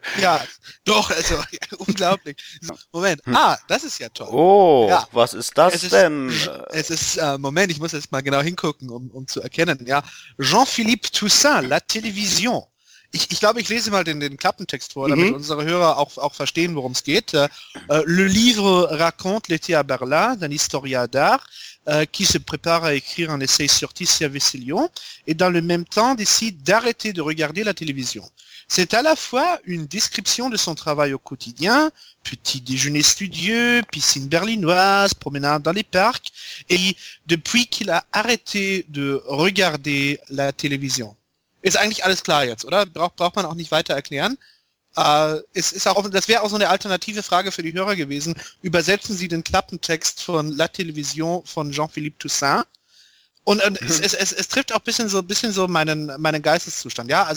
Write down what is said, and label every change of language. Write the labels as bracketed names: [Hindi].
[German] Ja, doch, also unglaublich. So, Moment. Ah, das ist ja toll. Oh, ja. Was ist das denn? Es ist, Moment, ich muss jetzt mal genau hingucken, um zu erkennen. Ja, Jean-Philippe Toussaint, La Télévision. Ich glaube, ich lese mal den Klappentext vor, damit unsere Hörer auch verstehen, worum es geht. [French] Le livre raconte l'été à Berlin d'un historien d'art qui se prépare à écrire un essai sur Titien Vassilion et dans le même temps décide d'arrêter de regarder la télévision. C'est à la fois une description de son travail au quotidien, petit déjeuner studieux, piscine berlinoise, promenade dans les parcs, et depuis qu'il a arrêté de regarder la télévision. [German] Ist eigentlich alles klar jetzt, oder? Braucht man auch nicht weiter erklären. Ist auch, das wäre auch so eine alternative Frage für die Hörer gewesen. Übersetzen Sie den Klappentext von La Télévision von Jean-Philippe Toussaint. Und es trifft auch bisschen so meinen Geisteszustand, ja?